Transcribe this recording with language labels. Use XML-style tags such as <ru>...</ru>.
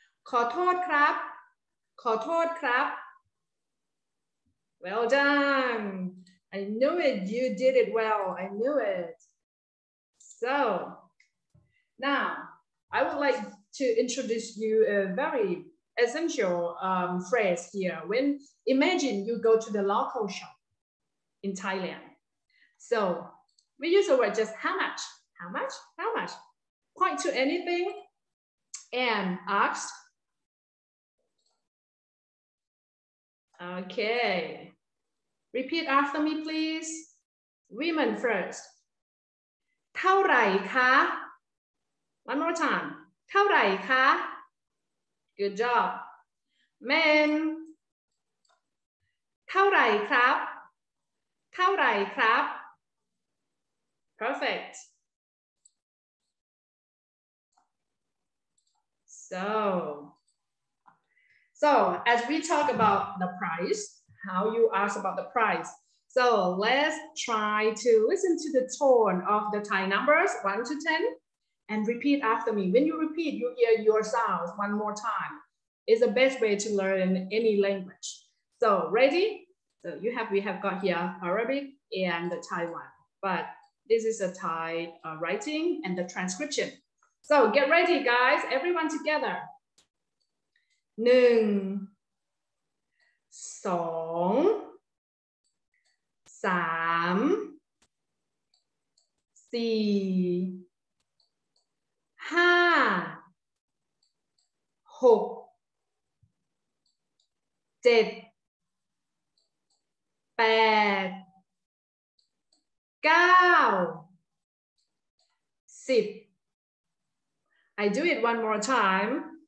<th>ขอโทษครับ ขอโทษครับ</th> <en>Well done. I knew it. You did it well. I knew it. So, now, I would like to introduce you a very essential phrase here. When imagine you go to the local shop in Thailand. So, we use the word just how much, how much, how much. Point to anything and ask. Okay. Repeat after me, please. Women first.</en> <th>เท่าไหร่คะ</th> <en>One more time. เท่าไหร่คะ Good job. Men.</en> <th>เท่าไหร่ครับ เท่าไหร่ครับ</th> <en>Perfect. So as we talk about the price, how you ask about the price. So let's try to listen to the tone of the Thai numbers, 1 to 10, and repeat after me. When you repeat, you hear yourselves one more time. It's the best way to learn any language. So ready? So we have got here Arabic and the Thai one, but this is a Thai writing and the transcription. So get ready, guys, everyone together.</en> <th>หนึ่งสองสามสี่ห้าหกเจ็ดแปดเก้าสิบ</th> <en>I do it one more time.</en>